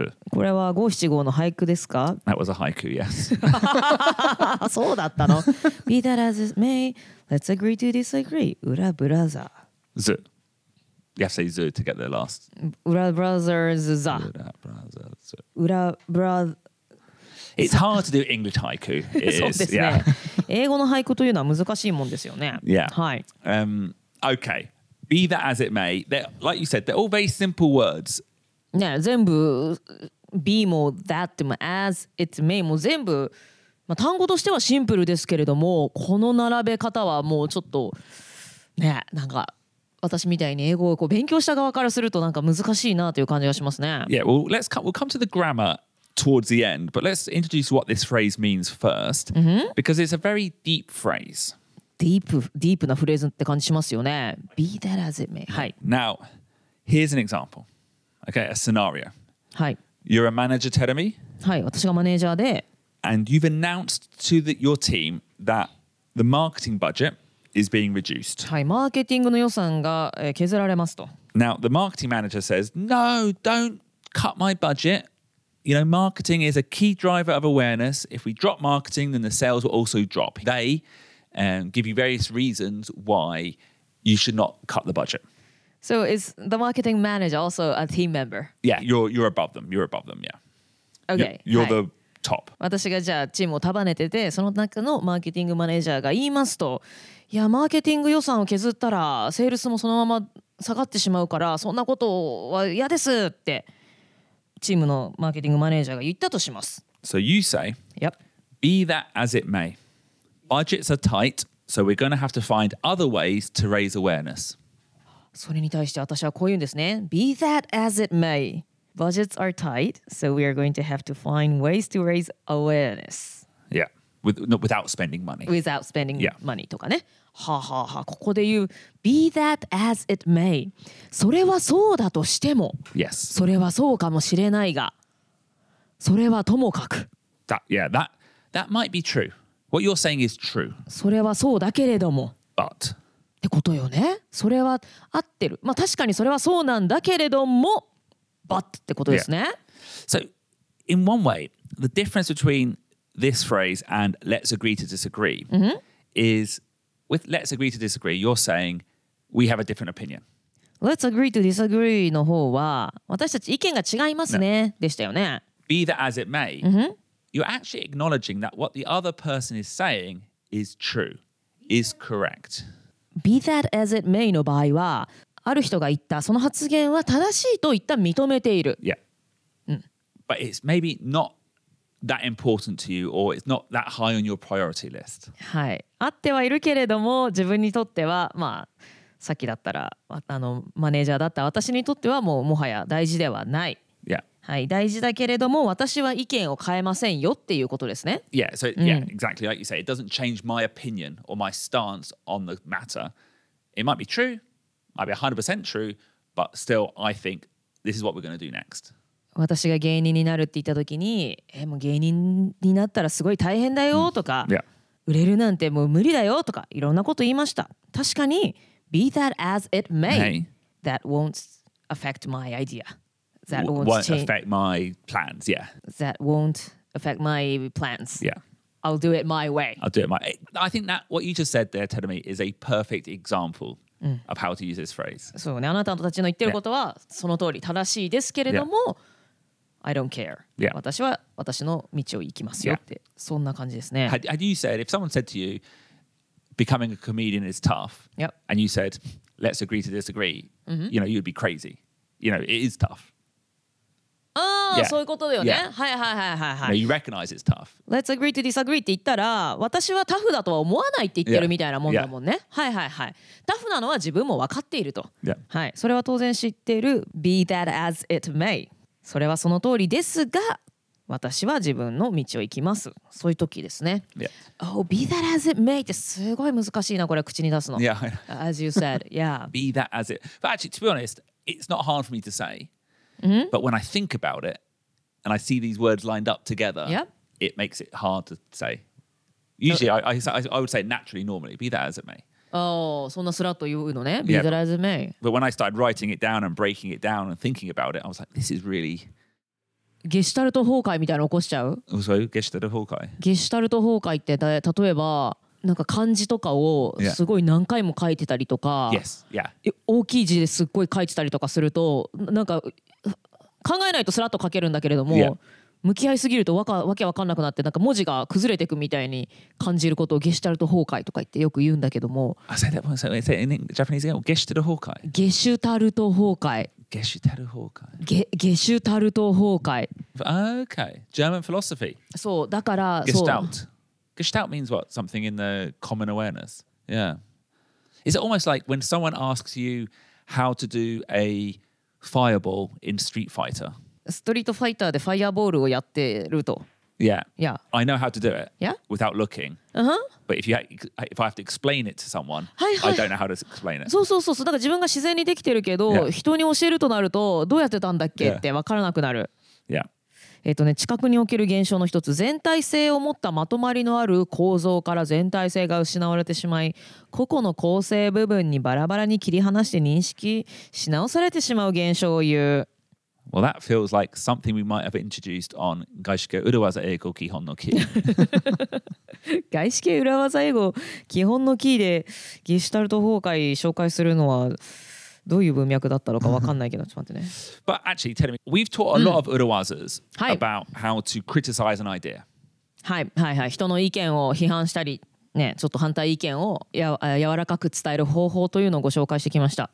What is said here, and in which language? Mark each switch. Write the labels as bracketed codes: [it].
[ja] これは五七五の俳句ですか [en] That was a haiku, yes. [ja] そうだったの [en] Be that as it may, let's agree to disagree. Ura brother. Z. You have to say z to get the last. Ura brothers, z. Ura brothers, z. Ura brother. It's hard to do English haiku. It is, yeah. [ja] 英語の俳句というのは難しいもんですよね。 [en] Yeah. [ja] はい。 [en] Okay. Be that as it may. They're, like you said, they're all very simple words. [ja] ね、全部 be も that も as it may も全部、まあ、単語としてはシンプルですけれどもこの並べ方はもうちょっとねなんか私みたいに英語をこう勉強した側からするとなんか難しいなという感じがしますね [en] Yeah, well, let's come, we'll come to the grammar towards the end but let's introduce what this phrase means first、 mm-hmm. because it's a very deep phrase [ja] deep なフレーズって感じしますよね be that as it may、はい、 [en] Now, here's an exampleOkay, a scenario. Hi. You're a manager, Terumi. [ja] Hi, 私がマネージャーで。 [en] And you've announced to your team that The marketing budget is being reduced. [ja] はい、マーケティングの予算が、削られますと。 [en] Now, the marketing manager says, no, don't cut my budget. You know, marketing is a key driver of awareness. If we drop marketing, then the sales will also drop. They, give you various reasons why you should not cut the budget. So is the marketing manager also a team member? Yeah, you're above them. You're above them, yeah. Okay. You're the top. [ja] 私がじゃあチームを束ねてて、その中のマーケティングマネージャーが言いますと、いや、マーケティング予算を削ったら、セールスもそのまま下がってしまうから、そんなことは嫌ですって、チームのマーケティングマネージャーが言ったとします。 [en] So you say, yep. Be that as it may. Budgets are tight, so we're going to have to find other ways to raise awareness. [ja] それに対して私はこう言うんですね。 [en] Be that as it may. Budgets are tight, so we are going to have to find ways to raise awareness. Yeah, without spending money. Without spending money [ja] とかね。はあ、ははあ、ここで言う Be that as it may. それはそうだとしても。 [en] Yes. [ja] それはそうかもしれないが。それはともかく。 [en] That might be true. What you're saying is true. [ja] それはそうだけれども。 [en] But. [ja] ってことよね。それは合ってる。まあ確かにそれはそうなんだけれども。 But ってことですね。 [en] So, in one way, the difference between this phrase and let's agree to disagree、 mm-hmm. is with let's agree to disagree, you're saying we have a different opinion. [ja] Let's agree to disagree の方は私たち意見が違いますね、no. でしたよね。 [en] Be that as it may,、 mm-hmm. you're actually acknowledging that what the other person is saying is true, is correct. [ja] Be that as it may の場合はある人が言ったその発言は正しいと言った認めている。 [en] Yeah. But it's maybe not that important to you or it's not that high on your priority list. [ja] はい。あってはいるけれども自分にとってはまあさっきだったらマネージャーだった私にとってはもうもはや大事ではない。 [en] Yeah. [ja] はい。大事だけれども私は意見を変えませんよっていうことですね。 [en] Yeah. So yeah, exactly like you say, it doesn't change my opinion or my stance on the matter. It might be true. I'd be 100% true, but still, I think this is what we're going to do next. [ja] 私が芸人になるって言った時に、もう芸人になったらすごい大変だよとか、売れるなんてもう無理だよとか、いろんなこと言いました。確かに、 [en] be that as it may, that won't affect my idea. That won't affect my plans, yeah. That won't affect my plans. Yeah. I'll do it my way. I think that what you just said there, Terumi, is a perfect example. Of how to use this phrase. [ja] そうね、あなたたちの言ってることはその通り正しいですけれども、 [en] I don't care. Yeah. [ja] 私は私の道を行きますよって、そんな感じですね。 [en] Had you said, if someone said to you, becoming a comedian is tough, yep. and you said, let's agree to disagree,、 mm-hmm. you know, you'd be crazy. You know, it is tough. Yeah. [ja] そういうことだよね。はいはいはいはいはい。 [en] You recognize it's tough. [ja] Let's agree to disagree って言ったら、私はタフだとは思わないって言ってるみたいなもんだもんね。はいはいはい。タフなのは自分も分かっていると。はい。それは当然知っている。 [en] Be that as it may。 [ja] それはその通りですが、私は自分の道を行きます。そういう時ですね。 [en] Yeah. [ja] Oh, be that as it may ってすごい難しいな、これ口に出すの。 [en] Yeah. As you said, yeah. Be that as it. But actually, to be honest, it's not hard for me to say. Mm-hmm. But when I think about it, and I see these words lined up together,、 yep. it makes it hard to say. Usually, I would say naturally, normally, be that as it may. [ja] Oh, そんなスラッと言うのね。 [en] Be that as it may. But when I started writing it down and breaking it down and thinking about it, I was like, this is really... [ja] ゲシュタルト崩壊みたいなの起こしちゃう? [en] Oh, sorry, ゲシュタルト崩壊。 [ja] ゲシュタルト崩壊って、例えば、なんか漢字とかをすごい何回も書いてたりとか、 [en] yes. yeah. [ja] 大きい字ですっごい書いてたりとかすると、なんか、考えないとスラッと書けるんだけれども、 [en] yeah. [ja] 向き合いすぎるとわけわかんなくなってなんか文字が崩れていくみたいに感じることをゲシュタルト崩壊とか言ってよく言うんだけども [en] I said that once, I said in Japanese again, ゲシュタル崩壊 [ja] ゲシュタルト崩壊ゲシュタル崩壊ゲシュタルト崩壊 [en] OK, German philosophy [ja] そうだから [en] Gestalt Gestalt means what? Something in the common awareness Yeah Is it almost like when someone asks you how to do aaFireball in Street Fighter. [ja] Street Fighter でファイアボールをやってると。 [en] Yeah. Yeah. I know how to do it. Yeah. Without looking. Uh-huh. But if I have to explain it to someone, I don't know how to explain it. [ja] そうそうそうそう。だから自分が自然にできてるけど、人に教えるとなるとどうやってたんだっけってわからなくなる。 [en] Yeah. [ja] 知覚における現象の一つ、全体性を持ったまとまりのある構造から全体性が失われてしまい、個々の構成部分にバラバラに切り離して認識し直されてしまう現象を言う。 [en] Well, that feels like something we might have introduced on 外資系裏技英語基本のキー。 [ja] 外資系裏技英語基本のキーでゲシュタルト崩壊紹介するのはどういう文脈だったのかわかんないけど、ちょっと待ってね。 [en] But actually, tell me, we've taught a lot of 裏技 s about how to criticize an idea. [ja] はい、はい、はい。人の意見を批判したり、ね、ちょっと反対意見をや柔らかく伝える方法というのをご紹介してきました。